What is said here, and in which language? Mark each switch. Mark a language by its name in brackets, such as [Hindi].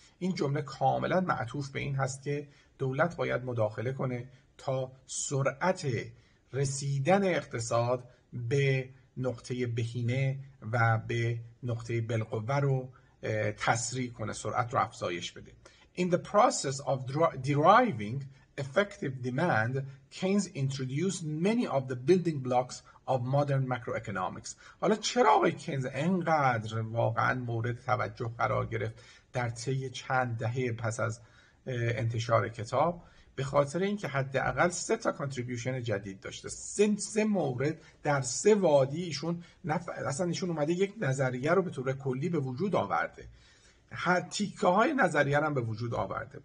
[Persian] این جمله کاملا معطوف به این هست که دولت باید مداخله کنه تا سرعت رسیدن اقتصاد به نقطه بهینه و به نقطه بالقوه رو تسریع کنه، سرعت رو افزایش بده. [English] In the process of deriving effective demand, Keynes introduced many of the building blocks of modern macroeconomics. [Persian] حالا چرا آقای کینز اینقدر واقعا مورد توجه قرار گرفت در طی چند دهه پس از انتشار کتاب؟ به خاطر اینکه حداقل سه تا کانتریبیوشن جدید داشته، سه مورد در سه وادی ایشون اصلا ایشون اومده یک نظریه رو به طور کلی به وجود آورده، هر تیکه های نظریه رو هم به وجود آورده.